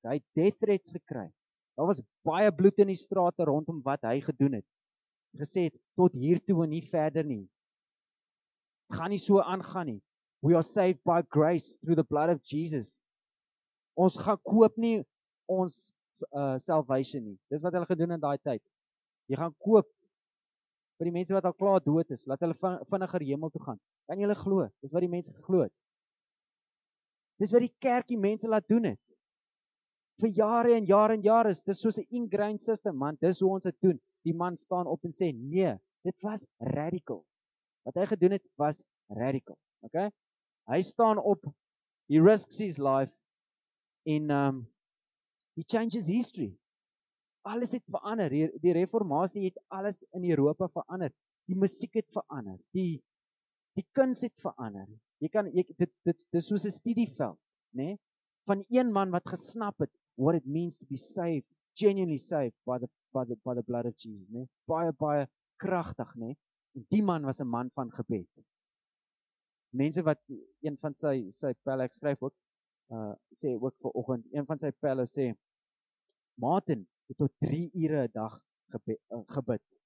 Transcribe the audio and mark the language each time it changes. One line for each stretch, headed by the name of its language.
Afrikaans: Hy het death threats gekry. Daar was baie bloed in die strate rondom wat hy gedoen het. Gesê het, tot hier toe en nie verder nie. Gaan nie so aangaan nie.
English: We are saved by grace through the blood of Jesus.
Afrikaans: Ons gaan koop nie ons salvation nie. Dis wat hulle gedoen in daai tyd. Jy gaan koop vir die mense wat al klaar dood is, laat hulle vinniger hemel toe gaan. Kan julle glo? Dis wat die mense geglo het. Dis wat die kerkie mense laat doen het. Vir jare en jare en jare is dis soos 'n
English: ingrained system,
Afrikaans: man. Dis hoe ons dit doen. Die man staan op en sê, "Nee, dit was radical." Wat hy gedoen het was radical. Okay? Hy staan op,
English: he risks his life
Afrikaans: en
English: he changes history.
Afrikaans: Alles het verander. Die reformatie het alles in Europa verander. Die musiek het verander. Die kuns het verander. Dit is soos 'n studieveld, nê? Van een man wat gesnap het
English: what it means to be saved, genuinely saved by the blood of Jesus, nê?
Afrikaans: Baie kragtig, nê? En die man was 'n man van gebed. Mense wat een van sy pelle, ek skryf ook sê ook vir oggend, een van sy pelle sê Martin het tot 3 ure 'n dag gebid.